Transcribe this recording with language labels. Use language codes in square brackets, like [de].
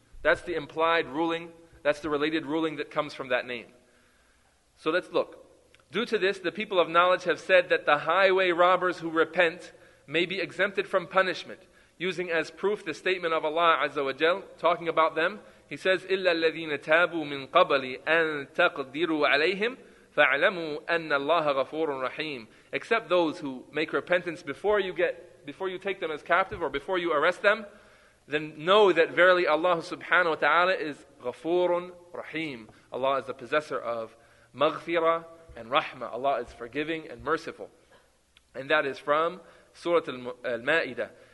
[en] That's the implied ruling, that's the related ruling that comes from that name. So let's look. Due to this, the people of knowledge have said that the highway robbers who repent may be exempted from punishment, using as proof the statement of Allah Azza wa Jal, talking about them. He says, [ar] إِلَّا الَّذِينَ تَابُوا مِنْ قَبَلِ أَن تَقْدِرُوا عَلَيْهِمْ فَعْلَمُوا أَنَّ اللَّهَ غَفُورٌ رَحِيمٌ. [en] Except those who make repentance before you take them as captive or before you arrest them, then know that verily Allah subhanahu wa ta'ala is [ar] ghafurun rahim. [en] Allah is the possessor of maghfirah and rahmah. Allah is forgiving and merciful. And that is from Surah Al-Ma'idah.